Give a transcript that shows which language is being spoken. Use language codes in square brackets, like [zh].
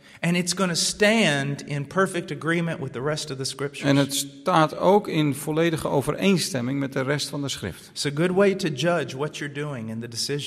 [en] And it's going to stand in perfect agreement with the rest of the scriptures. [nl] En het staat ook in volledige overeenstemming met de rest van de schrift. [en] It's a good way to judge what you're doing and the decisions